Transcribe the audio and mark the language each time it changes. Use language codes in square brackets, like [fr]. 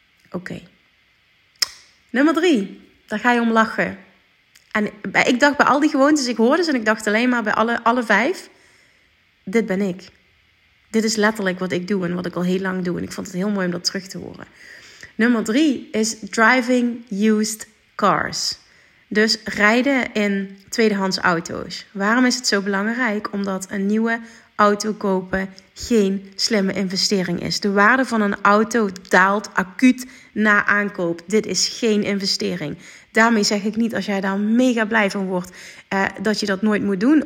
[nl] Oké. Nummer 3. Daar ga je om lachen. En ik dacht bij al die gewoontes, ik hoorde ze en ik dacht alleen maar bij alle 5. Dit ben ik. Dit is letterlijk wat ik doe en wat ik al heel lang doe. En ik vond het heel mooi om dat terug te horen. Nummer 3 [en] is driving used cars. [nl] Dus rijden in tweedehands auto's. Waarom is het zo belangrijk? Omdat een nieuwe auto kopen geen slimme investering is. De waarde van een auto daalt acuut na aankoop. Dit is geen investering. Daarmee zeg ik niet, als jij daar mega blij van wordt, dat je dat nooit moet doen.